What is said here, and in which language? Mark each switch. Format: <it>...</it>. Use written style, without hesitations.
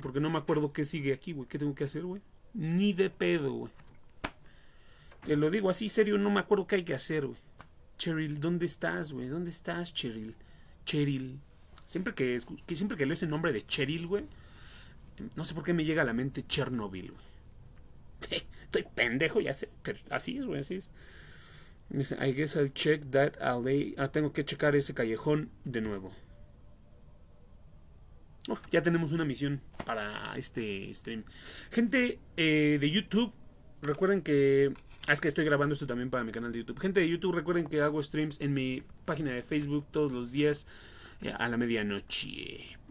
<es>Porque no me acuerdo qué sigue aquí, güey. ¿Qué tengo que hacer, güey? Ni de pedo, güey. Te lo digo así, serio. No me acuerdo qué hay que hacer, güey. Cheryl, ¿dónde estás, güey? ¿Dónde estás, Cheryl? Cheryl. Siempre que leo ese nombre de Cheryl, güey. No sé por qué me llega a la mente Chernobyl, güey. Estoy pendejo, ya sé. Pero así es, güey, así es. Dice,</es> <en>I guess I'll check that alley.</en> <es>Ah, tengo que checar ese callejón de nuevo. Oh, ya tenemos una misión para este stream. Gente de YouTube, recuerden que... Ah, es que estoy grabando esto también para mi canal de YouTube. Gente de YouTube, recuerden que hago streams en mi página de Facebook todos los días a la medianoche.</es>